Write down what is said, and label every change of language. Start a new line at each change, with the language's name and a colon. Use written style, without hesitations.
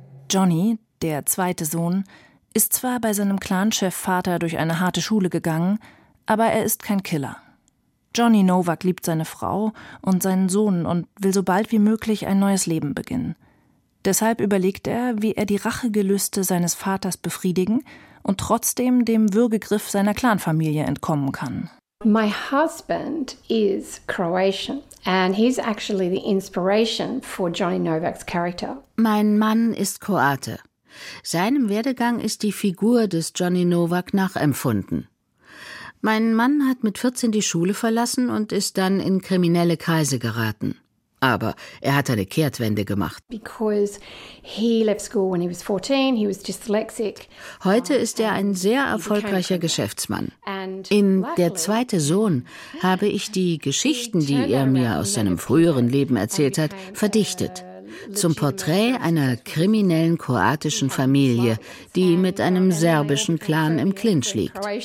German: Johnny, der zweite Sohn, ist zwar bei seinem Clan-Chef-Vater durch eine harte Schule gegangen, aber er ist kein Killer. Johnny Novak liebt seine Frau und seinen Sohn und will so bald wie möglich ein neues Leben beginnen. Deshalb überlegt er, wie er die Rachegelüste seines Vaters befriedigen und trotzdem dem Würgegriff seiner Clanfamilie entkommen kann.
English: My husband is Croatian and he's actually the inspiration for Johnny Novak's character.
German: Mein Mann ist Kroate. Seinem Werdegang ist die Figur des Johnny Novak nachempfunden. Mein Mann hat mit 14 die Schule verlassen und ist dann in kriminelle Kreise geraten. Aber er hat eine Kehrtwende gemacht.
English: Because he left school when he was 14, he was dyslexic.
German: Heute ist er ein sehr erfolgreicher Geschäftsmann. In Der zweite Sohn habe ich die Geschichten, die er mir aus seinem früheren Leben erzählt hat, verdichtet. Zum Porträt einer kriminellen kroatischen Familie, die mit einem serbischen Clan im Clinch liegt.